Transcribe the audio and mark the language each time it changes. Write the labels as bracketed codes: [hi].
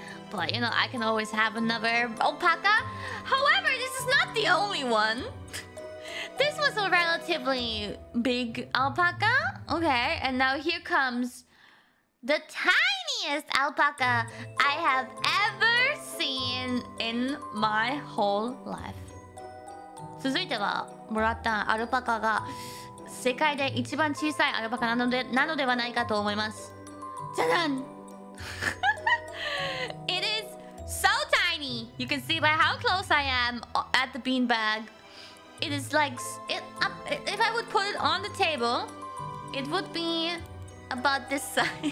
[en] But you know, I can always have another alpaca. However, this is not the only one. This was a relatively big alpaca. Okay, and now here comes the tiniest alpaca I have ever seen in my whole life. [ja] 続いてはもらったアルパカが世界で一番小さいアルパカなのではないかと思います。じゃじゃん。 [en] It is so tiny. You can see by how close I am at the beanbag. It is like if I would put it on the table, it would be about this size.